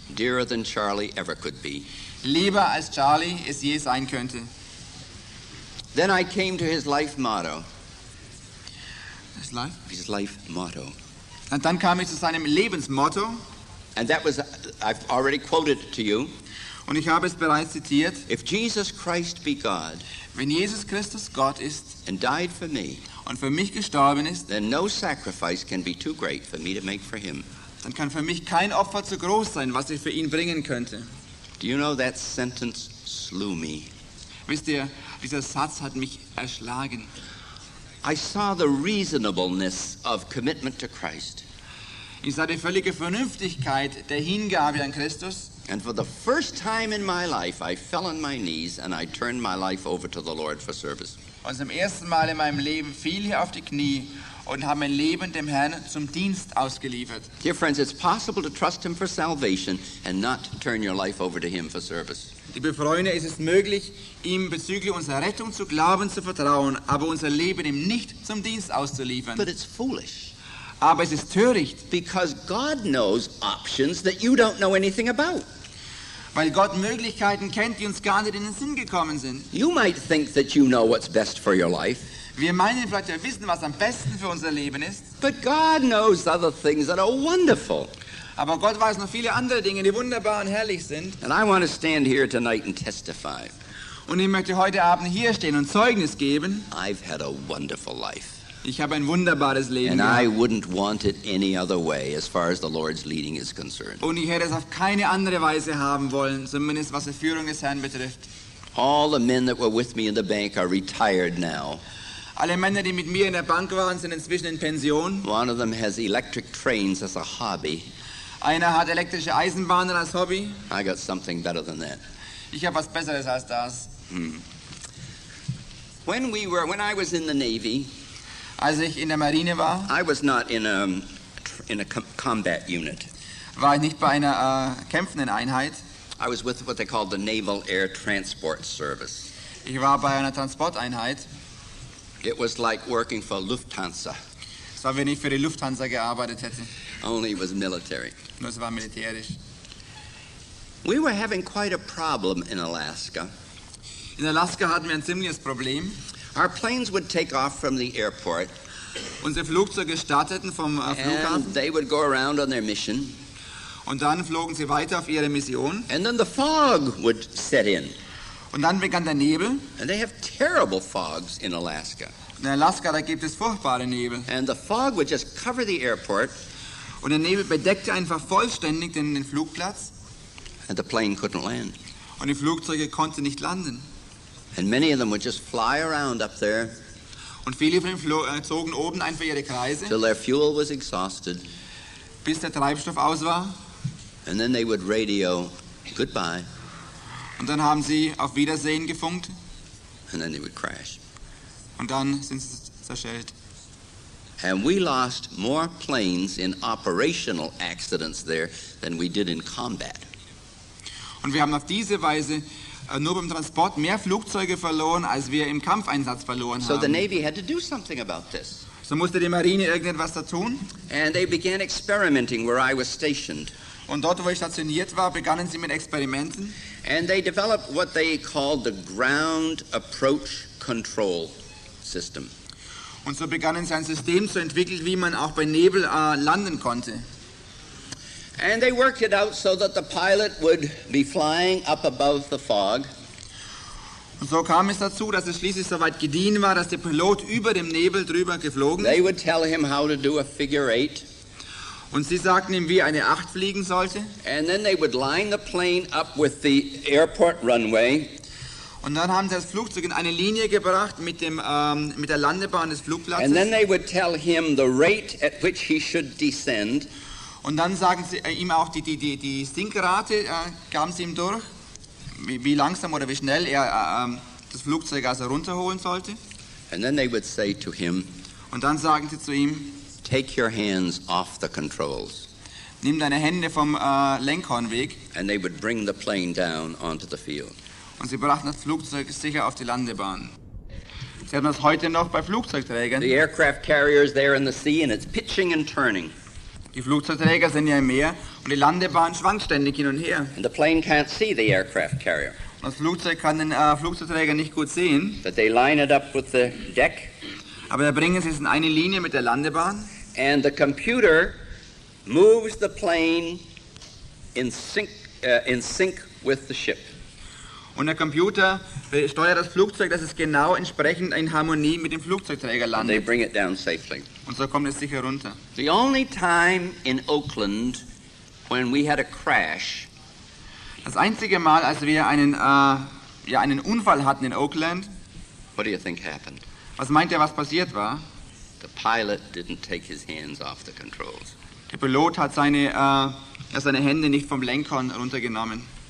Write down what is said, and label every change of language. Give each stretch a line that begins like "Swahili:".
English: Dearer than Charlie ever could be.
German: Lieber als Charlie es je sein könnte.
English: Then I came to his life motto. His life? His life motto.
German: Und dann kam ich zu seinem Lebensmotto.
English: And that was, I've already quoted it to you.
German: Und ich habe es bereits zitiert.
English: If Jesus Christ be God,
German: wenn Jesus Christus Gott ist,
English: and died for me,
German: und für mich gestorben ist,
English: then no sacrifice can be too great for me to make for him.
German: Dann kann für mich kein Opfer zu groß sein, was ich für ihn bringen könnte.
English: Do you know that sentence slew me?
German: Wisst ihr, dieser Satz hat mich erschlagen.
English: I saw the reasonableness of commitment to Christ.
German: Ich sah die völlige Vernünftigkeit der Hingabe an Christus.
English: And for the first time in my life, I fell on my knees and I turned my life over to the Lord for service.
German: Und zum ersten Mal in meinem Leben fiel ich auf die Knie und habe mein Leben dem Herrn zum Dienst ausgeliefert.
English: Dear friends, it's possible to trust him for salvation and not turn your life over to him for service.
German: Liebe Freunde, es ist möglich, ihm bezüglich unserer Rettung zu glauben, zu vertrauen, aber unser Leben ihm nicht zum Dienst auszuliefern.
English: But it's foolish.
German: Aber es ist töricht.
English: Because God knows options that you don't know anything about.
German: Weil Gott Möglichkeiten kennt, die uns gar nicht in den Sinn gekommen sind.
English: You might think that you know what's best for your life.
German: Wir meinen vielleicht, wir wissen, was am besten für unser Leben ist.
English: But God knows other things that are wonderful.
German: Aber Gott weiß noch viele andere Dinge, die wunderbar und herrlich sind.
English: And I want to stand here tonight and testify.
German: Und ich möchte heute Abend hier stehen und Zeugnis geben.
English: I've had a wonderful life.
German: Ich habe ein wunderbares Leben.
English: And I wouldn't want it any other way, as far as the Lord's leading is concerned.
German: Und ich hätte es auf keine andere Weise haben wollen, zumindest was die Führung des Herrn betrifft.
English: All the men that were with me in the bank are retired now.
German: Alle Männer, die mit mir in der Bank waren, sind inzwischen in Pension.
English: One of them has electric trains as a hobby.
German: Einer hat elektrische Eisenbahnen als Hobby.
English: I got something better than that.
German: Ich habe was Besseres als das.
English: When I was in the Navy.
German: Als ich in der Marine war,
English: I was not in a combat unit.
German: War ich nicht bei einer kämpfenden Einheit.
English: I was with what they called the Naval Air Transport Service.
German: Ich war bei einer Transporteinheit.
English: It was like working for Lufthansa.
German: Es war, wenn ich für die Lufthansa gearbeitet hätte.
English: Only it was military.
German: Nur es war militärisch.
English: We were having quite a problem in Alaska.
German: In Alaska hatten wir ein ziemliches Problem.
English: Our planes would take off from the airport.
German: Unsere Flugzeuge starteten vom Flughafen.
English: And they would go around on their mission.
German: Und dann flogen sie weiter auf ihre Mission.
English: And then the fog would set in.
German: Und dann begann der Nebel.
English: And they have terrible fogs in Alaska.
German: In Alaska, da gibt es furchtbare Nebel.
English: And the fog would just cover the airport.
German: Und der Nebel bedeckte einfach vollständig den Flugplatz.
English: And the plane couldn't land.
German: Und die Flugzeuge konnten nicht landen.
English: And many of them would just fly around up there.
German: Und viele von ihnen zogen oben einfach ihre Kreise.
English: Till their fuel was exhausted.
German: Bis der Treibstoff aus war.
English: And then they would radio goodbye.
German: Und dann haben sie auf Wiedersehen gefunkt.
English: And then they would crash.
German: Und dann sind sie zerschellt.
English: And we lost more planes in operational accidents there than we did in combat.
German: Und wir haben auf diese Weise nur beim Transport mehr Flugzeuge verloren, als wir im Kampfeinsatz verloren haben.
English: So the Navy had to do something about this.
German: So musste die Marine irgendetwas da tun.
English: And they began experimenting where I was stationed.
German: Und dort, wo ich stationiert war, begannen sie mit Experimenten.
English: And they developed what they called the ground approach control system.
German: Und so begannen sie ein System zu entwickeln, wie man auch bei Nebel landen konnte.
English: And they worked it out so that the pilot would be flying up above the fog.
German: Und so kam es dazu, dass es schließlich so weit gediehen war, dass der Pilot über dem Nebel drüber geflogen ist.
English: They would tell him how to do a figure eight.
German: Und sie sagten ihm, wie eine Acht fliegen sollte.
English: And then they would line the plane up with the airport runway.
German: Und dann haben sie das Flugzeug in eine Linie gebracht mit dem mit der Landebahn des Flugplatzes.
English: And then they would tell him the rate at which he should descend.
German: Und dann sagen sie ihm auch die Sinkrate gaben sie ihm durch, wie langsam oder wie schnell er das Flugzeug also runterholen sollte.
English: And then they would say to him,
German: und dann sagen sie zu ihm,
English: take your hands off the controls.
German: Nimm deine Hände vom Lenkhornweg.
English: And they would bring the plane down onto the field.
German: Und sie brachten das Flugzeug sicher auf die Landebahn. Sie haben das heute noch bei Flugzeugträgern.
English: The aircraft carrier is there in the sea and it's pitching and turning.
German: Die Flugzeugträger sind ja im Meer und die Landebahn schwankt ständig hin und her.
English: And the plane can't see the aircraft carrier.
German: Und das Flugzeug kann den Flugzeugträger nicht gut sehen.
English: But they line it up with the deck.
German: Aber da bringen sie es in eine Linie mit der Landebahn.
English: And the computer moves the plane in sync with the ship.
German: Und der Computer steuert das Flugzeug, dass es genau entsprechend in Harmonie mit dem Flugzeugträger landet.
English: And they bring it down safely.
German: Und so kommt es sicher runter.
English: The only time in Oakland when we had a crash.
German: Das einzige Mal, als wir einen Unfall hatten in Oakland.
English: What do you think happened?
German: Was meint ihr, was passiert war?
English: The pilot didn't take his hands off the controls.
German: Der Pilot hat seine Hände nicht vom Lenkhorn runtergenommen.